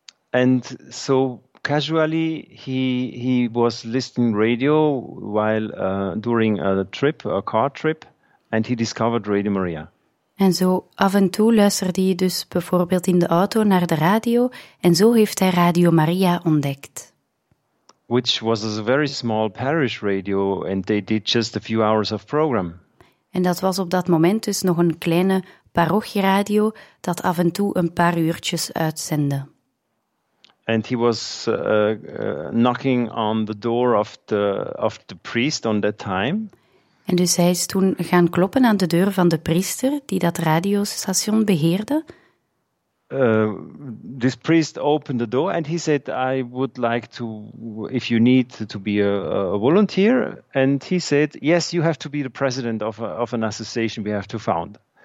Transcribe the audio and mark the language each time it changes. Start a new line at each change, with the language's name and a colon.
English: And so casually he was listening radio while during a car trip, and he discovered Radio Maria.
Dutch: En zo af en toe luisterde hij dus bijvoorbeeld in de auto naar de radio en zo heeft hij Radio Maria ontdekt.
English: which was a very small parish radio, and they did just a few hours of program.
Dutch: En dat was op dat moment dus nog een kleine parochieradio dat af en toe een paar uurtjes uitzendde.
English: And he was knocking on the door of the priest on that time.
Dutch: En dus hij is toen gaan kloppen aan de deur van de priester die dat radiostation beheerde.
English: This priest opened the door and he said, "I would like to, if you need to be a volunteer." And he said, "Yes, you have to be the president of an association we have to found."